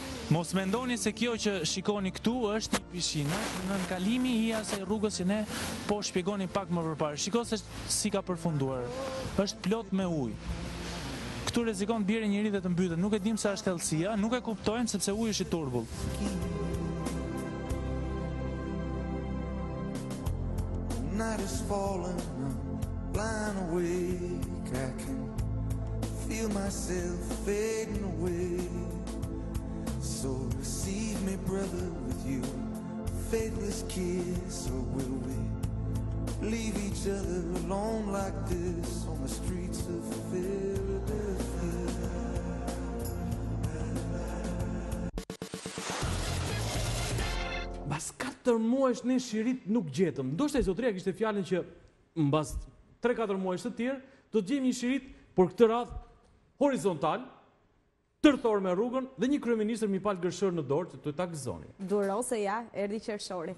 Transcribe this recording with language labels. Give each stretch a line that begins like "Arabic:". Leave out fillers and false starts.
Albanian: Mos mendoni se kjo që shikoni këtu është një pishinë, nën kalimi i asaj rrugës që ne po shpjegonim pak më përpara. Shikoni se si ka përfunduar. Është plot me ujë. Këtu rrezikon bjerë njëri dhe të mbytet. Nuk e dim se është thellësia, nuk e kuptojmë sepse uji është i turbullt.
English: Night is falling, I'm blind awake. I can feel myself fading away. So receive me, brother, with you faithless kiss, or will we leave each other alone like this on the streets of Philadelphia?
Albanian: Mbas 4 muajsh ne shirit nuk gjetëm. Ndoshta zotria kishte fjalën që mbas 3-4 muajsh të tjerë do të gjejmë një shirit, por këtë radh horizontal, tërthor me rrugën dhe një kryeministër mi pal gërshër në dorë që të ta gëzoni. Duro se ja, erdhi qershori.